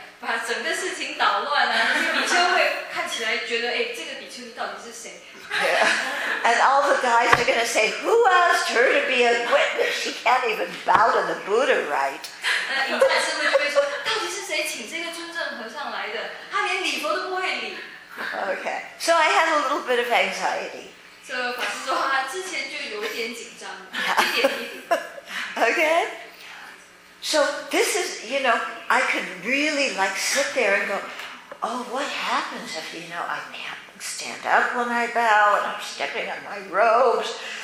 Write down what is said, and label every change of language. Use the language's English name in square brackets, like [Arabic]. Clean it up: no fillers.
[Chinese] 把整个事情捣乱啊，那些比丘会看起来觉得，哎，这个比丘你到底是谁？ [English] Yeah. And all the guys are going to say, who asked her to be a witness? She can't even bow to the Buddha, right? [Chinese] 那一般师傅就会说，到底是谁请这个尊正和尚来的？他连礼佛都不会礼。 [English] Okay, so I had a little bit of anxiety. [Chinese] So 法师说他之前就有点紧张，一点。 [English] Okay. So this is, you know, I could really like sit there and go, oh, what happens if, you know, I can't stand up when I bow and I'm stepping on my robes.